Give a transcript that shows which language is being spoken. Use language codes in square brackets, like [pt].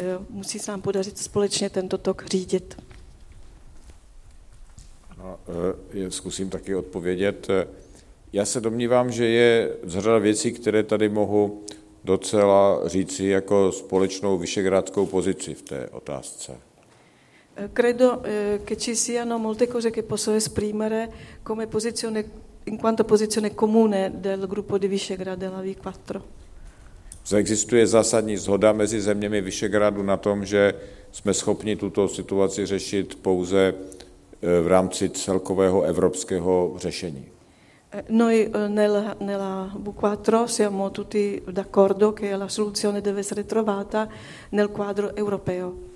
[cs] Musí se nám podařit společně tento tok řídit. No, zkusím taky odpovědět. Já se domnívám, že je řada věcí, které tady mohu docela říci jako společnou vyšegrádskou pozici v té otázce. [it] Credo che ci siano molte cose che possono esprimere come posizione in quanto posizione comune del gruppo di Visegrad della V4. [cs] Existuje zásadní shoda mezi zeměmi Visegrádu na tom, že jsme schopni tuto situaci řešit pouze v rámci celkového evropského řešení. [it] Noi nella V4 siamo tutti d'accordo che la soluzione deve essere trovata nel quadro europeo.